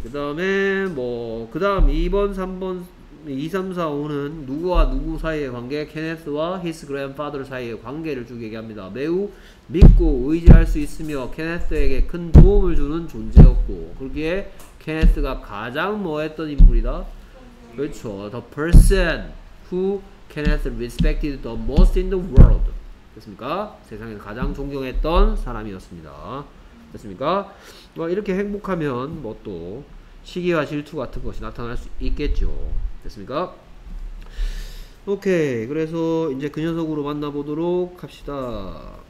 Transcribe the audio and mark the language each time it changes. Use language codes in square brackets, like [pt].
[ko] 그 다음에 뭐 그 다음 2번 3번 2, 3, 4, 5는 누구와 누구 사이의 관계 케네스와 히스 그랜파더 사이의 관계를 쭉 얘기합니다. 매우 믿고 의지할 수 있으며 케네스에게 큰 도움을 주는 존재였고 그러기에 케네스가 가장 뭐했던 인물이다? 그렇죠. [en] The person who Kenneth respected the most in the world. [ko] 됐습니까? 세상에서 가장 존경했던 사람이었습니다. 됐습니까? 뭐 이렇게 행복하면 뭐 또 시기와 질투 같은 것이 나타날 수 있겠죠. 됐습니까? 오케이. 그래서 이제 그 녀석으로 만나보도록 합시다.